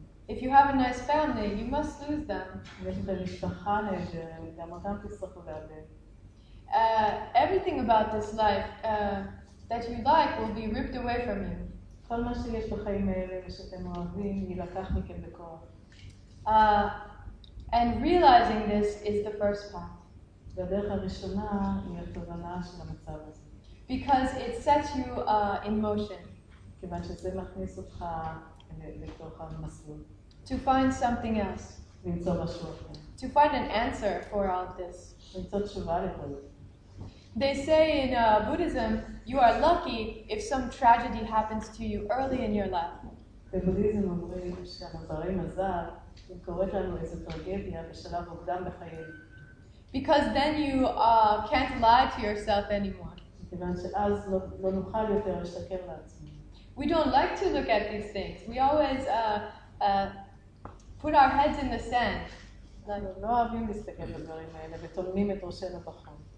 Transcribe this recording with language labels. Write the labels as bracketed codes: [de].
[en] If you have a nice family, you must lose them. [he] יש לכם משפחה נהדרת, גם אותם תצטרכו לאבד. [en] Everything about this life that you like will be ripped away from you. [he] כל מה שיש בחיים האלה ושאתם אוהבים יילקח מכם בכוח. [en] And realizing this is the first part. [he] והדרך הראשונה היא התובנה של המצב הזה. [en] Because it sets you in motion. [he] כיוון שזה מכניס אותך לתוך המסלול. [en] To find something else. [he] למצוא משהו אחר. [en] To find an answer for all this. [he] למצוא תשובה לכל זה. [en] They say in Buddhism, you are lucky if some tragedy happens to you early in your life. [he] בבודהיזם אומרים שהמזרי מזל, אם קורית לנו איזו טרגדיה בשלב מוקדם בחיים. [en] Because then you can't lie to yourself anymore. [he] כיוון שאז לא נוכל יותר לשקר לעצמי. [en] We don't like to look at these things. We always put our heads in the sand. [he] אנחנו לא אוהבים להסתכל בדברים האלה ותולמים את ראשנו בחול.